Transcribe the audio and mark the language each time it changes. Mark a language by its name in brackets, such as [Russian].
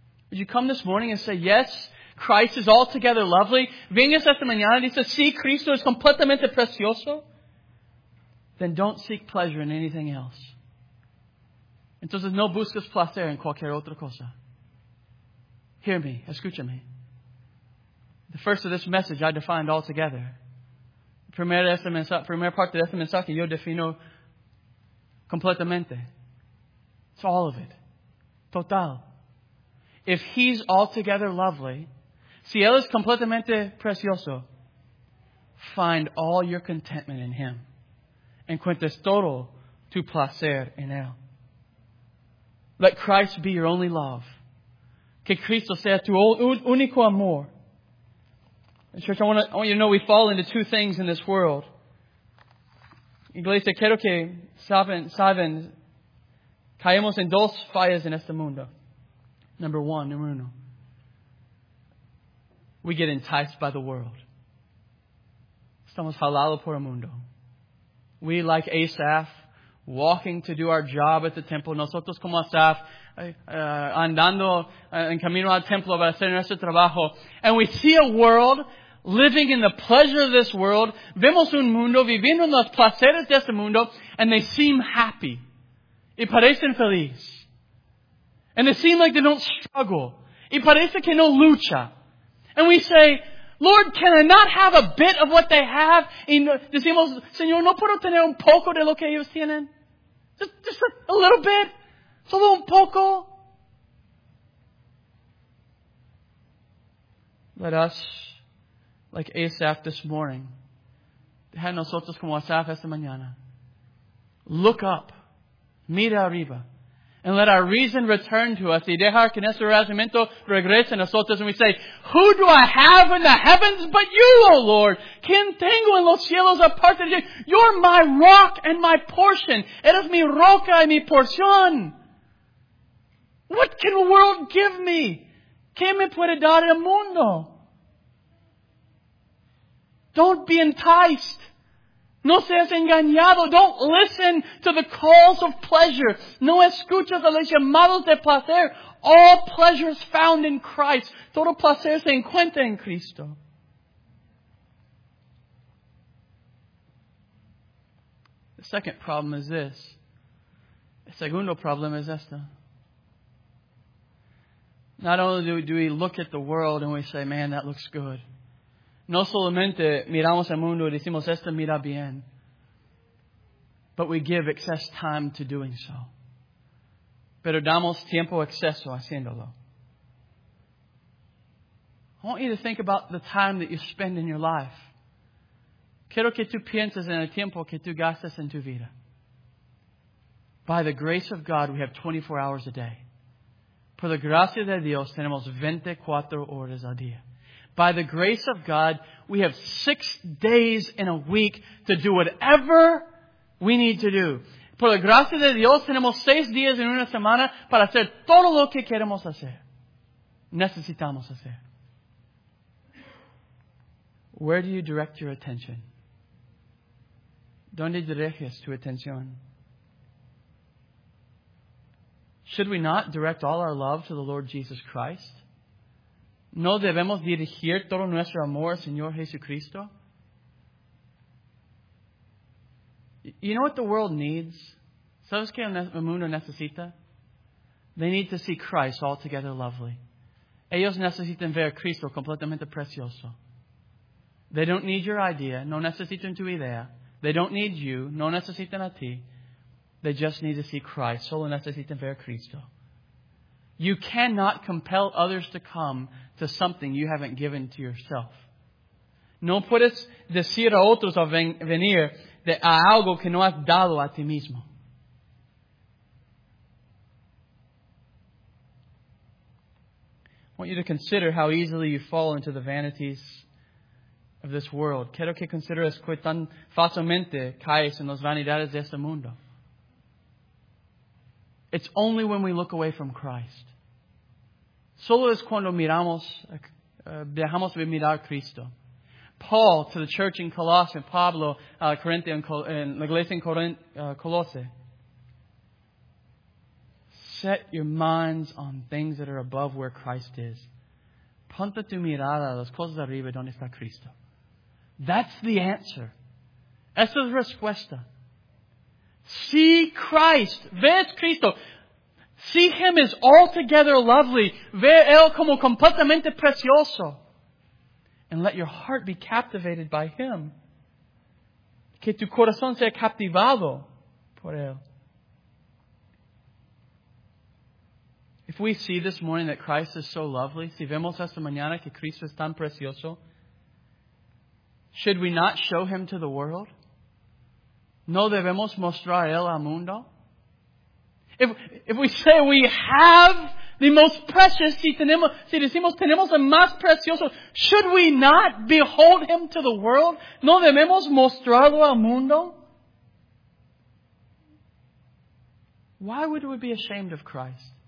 [English] Would you come this morning and say, yes, Christ is altogether lovely. [Spanish] Vengas esta mañana y dices, sí, Cristo es completamente precioso. [English] Then don't seek pleasure in anything else. [Spanish] Entonces no busques placer en cualquier otra cosa. [English] Hear me, [Spanish] escúchame. [English] The first of this message I defined altogether. [Spanish] Primera parte de este mensaje yo defino completamente. [English] It's all of it. [Spanish] Total. [English] If He's altogether lovely, [Spanish] si Él es completamente precioso, [English] find all your contentment in Him. [Spanish] Encuentres todo tu placer en Él. [English] Let Christ be your only love. [Spanish] Que Cristo sea tu único amor. [English] Church, I want you to know we fall into two things in this world. [Spanish] Iglesia, quiero que saben. Caemos en dos fallas en este mundo. [English] Number uno. We get enticed by the world. [Spanish] Estamos jalados por el mundo. [English] We, like Asaph, walking to do our job at the temple. [Spanish] Nosotros como Asaph, andando en camino al templo para hacer nuestro trabajo. [English] And we see a world living in the pleasure of this world. [Spanish] Vemos un mundo viviendo en los placeres de este mundo. [English] And they seem happy. [Spanish] Y parecen feliz. [English] And it seems like they don't struggle. [Spanish] Y parece que no lucha. [English] And we say, Lord, can I not have a bit of what they have? [Spanish] Y decimos, Señor, ¿no puedo tener un poco de lo que ellos tienen? [English] Just a little bit. [Spanish] Solo un poco. [English] Let us, like Asaph this morning, [Spanish] deja nosotros como Asaph esta mañana, [English] look up. [Spanish] Mira arriba. [English] And let our reason return to us. [Spanish] Y dejar que nuestro razonamiento regrese a nosotros. [English] And we say, who do I have in the heavens but you, O Lord? [Spanish] ¿Quién tengo en los cielos aparte de ti? [English] You're my rock and my portion. [Spanish] Eres mi roca y mi porción. [English] What can the world give me? [Spanish] ¿Qué me puede dar el mundo? [English] Don't be enticed. [Spanish] No seas engañado. [English] Don't listen to the calls of pleasure. [Spanish] No escuches a los llamados de placer. [English] All pleasure is found in Christ. [Spanish] Todo placer se encuentra en Cristo. [English] The second problem is this. [Spanish] El segundo problema es esto. [English] Not only do we look at the world and we say, man, that looks good. [Spanish] No solamente miramos el mundo y decimos, esto mira bien. [English] But we give excess time to doing so. [Spanish] Pero damos tiempo exceso haciéndolo. [English] I want you to think about the time that you spend in your life. [Spanish] Quiero que tú pienses en el tiempo que tú gastas en tu vida. [English] By the grace of God, we have 24 hours a day. [Spanish] Por la gracia de Dios, tenemos 24 horas al día. [English] By the grace of God, we have 6 days in a week to do whatever we need to do. [Spanish] Por la gracia de Dios, tenemos 6 días en una semana para hacer todo lo que queremos hacer. Necesitamos hacer. [English] Where do you direct your attention? [Spanish] ¿Dónde diriges tu atención? [English] Should we not direct all our love to the Lord Jesus Christ? [Spanish] ¿No debemos dirigir todo nuestro amor al Señor Jesucristo? [English] You know what the world needs? [Spanish] ¿Sabes qué el mundo necesita? [English] They need to see Christ altogether lovely. [Spanish] Ellos necesitan ver a Cristo completamente precioso. [English] They don't need your idea. [Spanish] No necesitan tu idea. [English] They don't need you. [Spanish] No necesitan a ti. [English] They just need to see Christ. [Spanish] Solo necesitan ver a Cristo. [English] You cannot compel others to come to something you haven't given to yourself. [Spanish] No puedes decir a otros a venir de a algo que no has dado a ti mismo. [English] I want you to consider how easily you fall into the vanities of this world. [Spanish] Quiero que consideres cuán tan fácilmente caes en las vanidades de este mundo. [English] It's only when we look away from Christ. [Spanish] Solo es cuando miramos, dejamos de mirar a Cristo. [English] Paul, to the church in Colossae, [Spanish] Pablo, Corinthian, en la iglesia en Colosse. [English] Set your minds on things that are above where Christ is. [Spanish] Ponte tu mirada a las cosas arriba donde está Cristo. [English] That's the answer. [Spanish] Esa es la respuesta. [English] See Christ. [Spanish] Ve a Cristo. [English] See Him as altogether lovely. [Spanish] Ve Él como completamente precioso. [English] And let your heart be captivated by Him. [Spanish] Que tu corazón sea captivado por Él. [English] If we see this morning that Christ is so lovely, [Spanish] si vemos esta mañana que Cristo es tan precioso, [English] should we not show Him to the world? [Spanish] ¿No debemos mostrar Él al mundo? [English] If we say we have the most precious, [Spanish] si decimos tenemos el más precioso, [English] should we not behold Him to the world? [Spanish] ¿No debemos mostrarlo al mundo? [English] Why would we be ashamed of Christ?